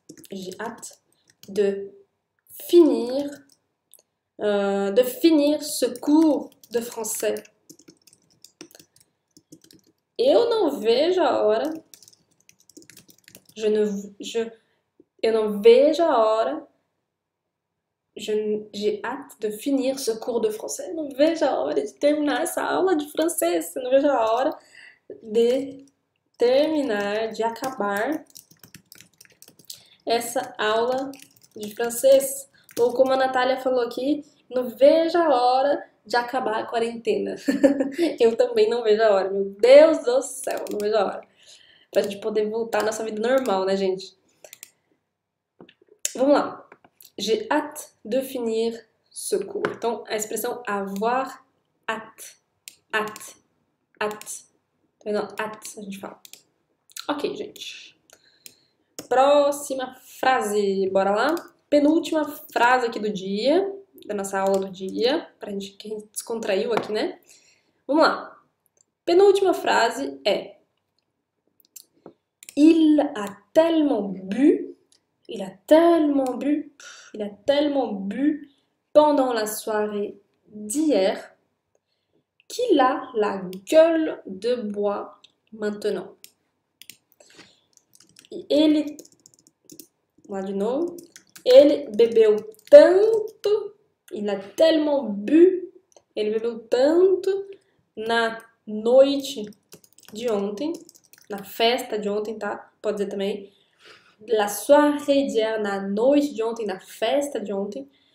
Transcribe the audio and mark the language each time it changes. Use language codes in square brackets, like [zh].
[fr] J'ai hâte de finir ce cours de français. [pt] Eu não vejo a hora. Eu não vejo a hora. [fr] J'ai hâte de finir ce cours de français. [pt] Eu não vejo a hora de terminar essa aula de francês. Eu não vejo a hora de terminar, de acabar essa aula de francês. Ou como a Natália falou aqui, não vejo a hora de acabar a quarentena. Eu também não vejo a hora, meu Deus do céu, não vejo a hora. Pra gente poder voltar à nossa vida normal, né, gente? Vamos lá. [fr] J'ai hâte de finir ce cours. [pt] Então, a expressão avoir hâte. Não, hâte, a gente fala. Ok, gente. Próxima frase, bora lá. Penúltima frase aqui do dia, da nossa aula do dia, pra gente que descontraiu aqui, né? Vamos lá. Penúltima frase é: [fr] il a tellement bu pendant la soirée d'hier qu'il a la gueule de bois maintenant. [pt] Vamos lá de novo. Ele bebeu tanto, [fr] il a tellement bu, [pt] ele bebeu tanto na noite de ontem, na festa de ontem, tá? Pode dizer também. [fr] La soirée d'hier, [pt] na noite de ontem, na festa de ontem.